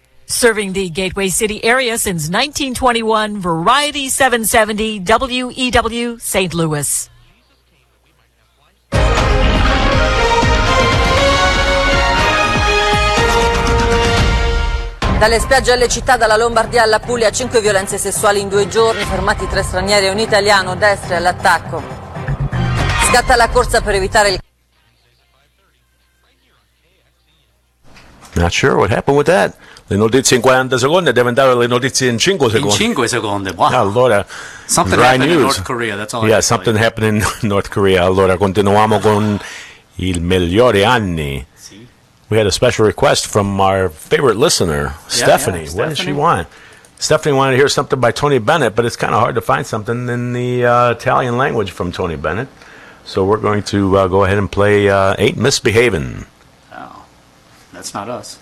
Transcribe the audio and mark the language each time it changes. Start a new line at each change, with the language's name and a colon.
English: Serving the Gateway City area since 1921, Variety 770 WEW St. Louis.
Italian: Dalle spiagge alle città, dalla Lombardia alla Puglia, 5 violenze sessuali in 2 giorni, fermati 3 stranieri e un italiano, destri all'attacco. Scatta la corsa per evitare il...
English: Not sure what happened with that.
Italian: Le notizie in 40 secondi, deve andare le notizie in 5 secondi. In 5 secondi, wow. Allora,
English: something happened news. In North Korea, that's all. Yeah, something happened in North Korea.
Italian: Allora, continuiamo con il migliore anni.
English: We had a special request from our favorite listener, Stephanie. Yeah, Stephanie. What did she want? Stephanie wanted to hear something by Tony Bennett, but it's kind of hard to find something in the Italian language from Tony Bennett. So we're going to go ahead and play Ain't Misbehavin'. Oh, that's not us.